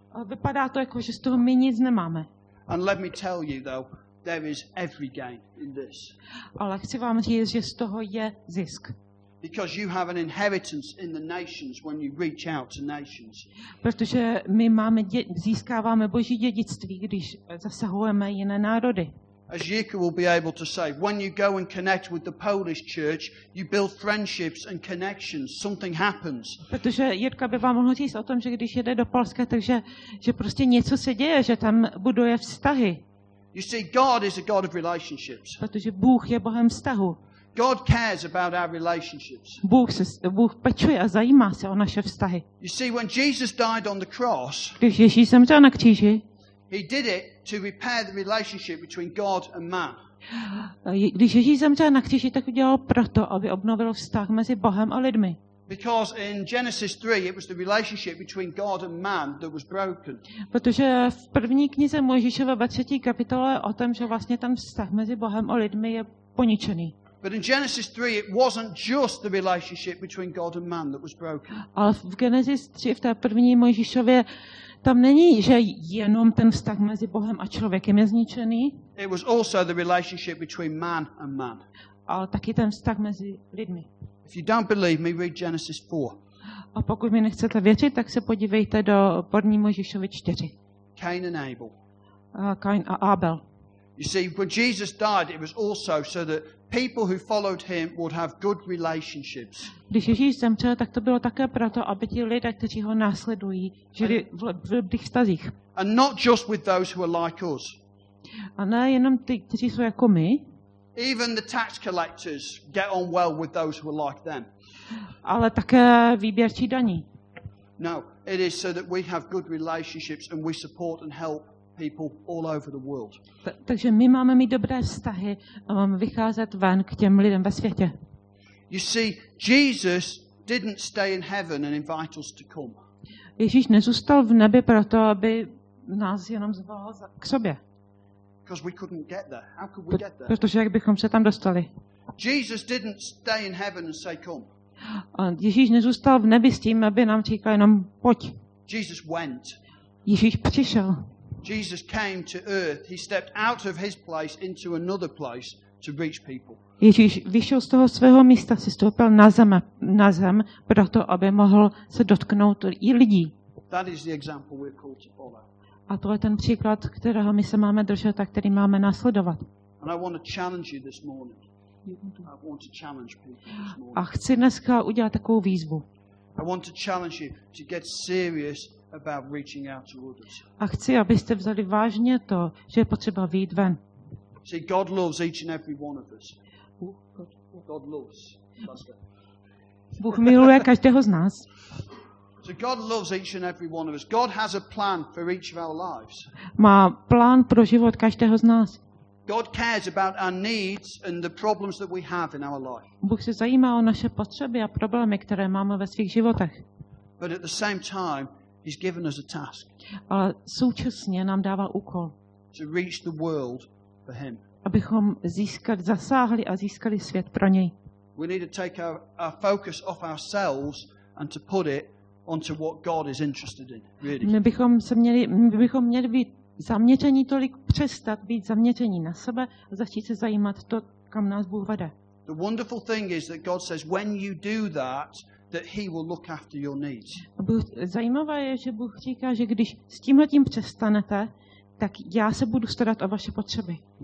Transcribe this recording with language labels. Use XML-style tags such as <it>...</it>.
<cs>Vypadá to jako, že z toho my nic nemáme.</cs> <en>And let me tell you though, there is every gain in this.</en> <cs>Ale chci vám říct, že z toho je zisk.</cs> <en>Because you have an inheritance in the nations when you reach out to nations.</en> <cs>Protože my máme získáváme Boží dědictví, když zasahujeme jiné národy.</cs> <en>As Jirka will be able to say, when you go and connect with the Polish church, you build friendships and connections. Something happens.</en> <cs>Protože Jirka by vám mohla říct o tom, že když jede do Polska, takže že prostě něco se děje, že tam buduje vztahy.</cs> <en>You see, God is a God of relationships.</en> <cs>Protože Bůh je Bohem vztahu.</cs> <en>God cares about our relationships.</en> <cs>Bůh pečuje a zajímá se o naše vztahy.</cs> <en>You see, when Jesus died on the cross,</en> <cs>když Ježíš zemřel na kříži,</cs> <en>He did it to repair the relationship between God and man.</en> <cs>Když Ježíš zemřel na kříži, tak udělal proto, aby obnovil vztah mezi Bohem a lidmi.</cs> <en>Because in Genesis 3 it was the relationship between God and man that was broken.</en> <cs>Protože v první knize Mojžíšova ve 3. kapitole o tom, že vlastně tam vztah mezi Bohem a lidmi je poničený.</cs> <en>But in Genesis 3 it wasn't just the relationship between God and man that was broken.</en> <cs>Ale v Genesis 3 v té první Mojžíšově tam není, že jenom ten vztah mezi Bohem a člověkem je zničený.</cs> <en>It was also the relationship between man and man.</en> <cs>Ale taky ten vztah mezi lidmi.</cs> <en>If you don't believe me, read Genesis 4.</en> <cs>A pokud mi nechcete věřit, tak se podívejte do první Mojžíšovy 4.</cs> <en>Cain and Abel.</en> <cs>Cain a Abel.</cs> <en>You see, when Jesus died, it was also so that people who followed him would have good relationships.</en> <cs>Když Ježíš zemřel, tak to bylo také proto, aby ti lidé, kteří ho následují, žili v dobrých vztazích.</cs> <en>And not just with those who are like us.</en> <cs>A ne jenom ty, kteří jsou jako my.</cs> <en>Even the tax collectors get on well with those who are like them.</en> <cs>Ale také výběrčí daní.</cs> <en>No, it is so that we have good relationships and we support and help people all over the world.</en> <cs>Takže my máme mít dobré vztahy a máme vycházet ven k těm lidem ve světě.</cs> <en>You see, Jesus didn't stay in heaven and invite us to come.</en> <cs>Ježíš nezůstal v nebi proto, aby nás jenom zval k sobě.</cs> <en>Because we couldn't get there. How could we get there?</en> <cs>Protože jak bychom se tam dostali?</cs> <en>Jesus didn't stay in heaven and say come.</en> <cs>Ježíš nezůstal v nebi s tím, aby nám říkal jenom pojď.</cs> <en>Jesus went.</en> <cs>Ježíš přišel.</cs> <en>Jesus came to earth. He stepped out of his place into another place to reach people.</en> <cs>Ježíš vyšel z toho svého místa, se stoupil na zem, proto aby mohl se dotknout i lidí.</cs> <en>That is the example we're called to follow.</en> <cs>A to je ten příklad, kterého my se máme držet a který máme následovat.</cs> <en>And I want to challenge you this morning. I want to challenge people this morning.</en> <cs>A chci dneska udělat takovou výzvu.</cs> <en>I want to challenge you to get serious about reaching out to others.</en> <cs>A chci, abyste vzali vážně to, že je potřeba vyjít ven.</cs> <en>See, God loves each and every one of us. God loves.</en> <cs>Bůh miluje každého z nás.</cs> <en>So God loves each and every one of us. God has a plan for each of our lives.</en> <cs>Má plán pro život každého z nás.</cs> <en>God cares about our needs and the problems that we have in our life.</en> <cs>Bůh se zajímá o naše potřeby a problémy, které máme ve svých životech.</cs> <en>But at the same time, he's given us a task.</en> <cs>A současně nám dává úkol.</cs> <en>To reach the world for him.</en> <cs>Abychom zasáhli svět pro něj.</cs> <en>We need to take our focus off ourselves and to put it onto what God is interested in, really.</en> <cs>My bychom měli být zaměření tolik přestat být zaměření na sebe a začít se zajímat to, kam nás Bůh vede.</cs> <en>The wonderful thing is that God says when you do that, that he will look after your needs.</en> <cs>Zajímavé je, že Bůh říká, že když s tímhletím přestanete, tak já se budu starat o vaše potřeby.</cs>